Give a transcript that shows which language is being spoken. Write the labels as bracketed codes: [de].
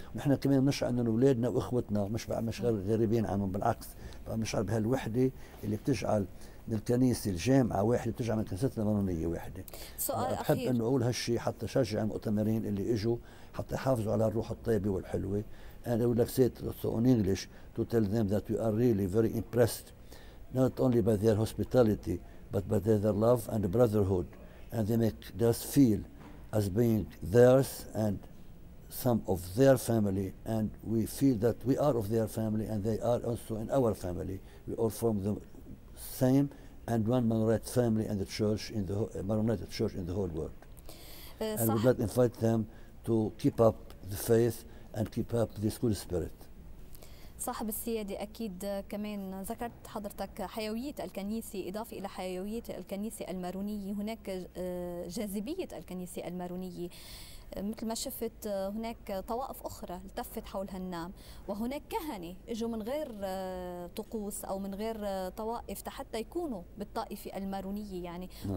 [ar] ونحن كمان بنشعر إنه أولادنا وإخوتنا مش غريبين عنهم، بالعكس بنشعر بهالوحدة اللي بتجعل من الكنيسة الجامعة واحدة، بتجعل من كنيستنا المارونية واحدة. سؤال أخير بحب أن أقول هالشي حتى شجع المؤتمرين اللي إجوا حتى يحافظوا على الروح الطيبة والحلوة. أنا أقول لك [en] in English to tell them that we are really very impressed not only by their hospitality but by their love and brotherhood, and they make us feel as being theirs and some of their family, and we feel that we are of their family and they are also in our family. We all form the same and one Maronite family and the church in the Maronite church in the whole world. And we'd like to invite them to keep up the faith and keep up this good spirit. [ar] صاحب السيادة أكيد كمان ذكرت حضرتك حيوية الكنيسة، إضافة إلى حيوية الكنيسة المارونية هناك جاذبية الكنيسة المارونية. مثل ما شفت هناك طوائف أخرى التفت حول هالنام، وهناك كهنة إجوا من غير طقوس أو من غير طوائف حتى يكونوا بالطائفة المارونية يعني. نعم.